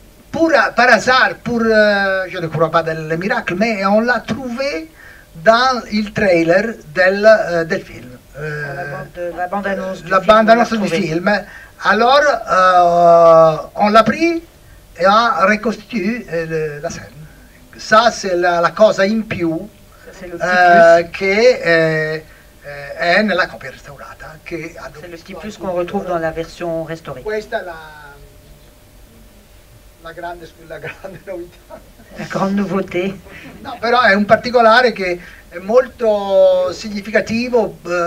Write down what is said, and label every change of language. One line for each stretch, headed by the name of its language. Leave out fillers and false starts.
French: Par hasard, je ne crois pas dans les miracles, mais on l'a trouvé dans le trailer
Italian: del film.
French: La bande annonce du film. Alors, on l'a pris. Et a reconstitué la scène. Ça, c'est
Italian: la cosa in più che è nella copia restaurata.
French: C'est le petit plus qu'on retrouve dans la version restaurée.
Italian: Questa è la grande novità.
French: La grande nouveauté.
Italian: No, però è un particolare che è molto significativo